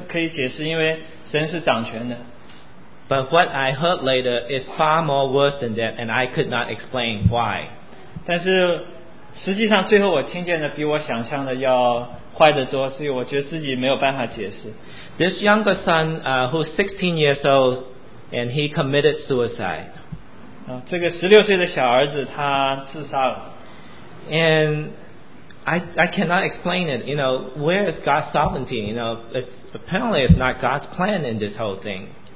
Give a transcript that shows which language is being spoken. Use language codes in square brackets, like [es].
[zh] 但是这些事我觉得都可以解释，因为神是掌权的。 [en] But what I heard later is far more worse than that, and I could not explain why. [zh] 但是实际上最后我听见的比我想象的要坏得多，所以我觉得自己没有办法解释。 [en] This younger son, who's 16 years old, and he committed suicide. [zh] 这个16岁的小儿子他自杀了。And [en] I cannot explain it. You know, where is God's sovereignty? You know, apparently it's not God's plan in this whole thing.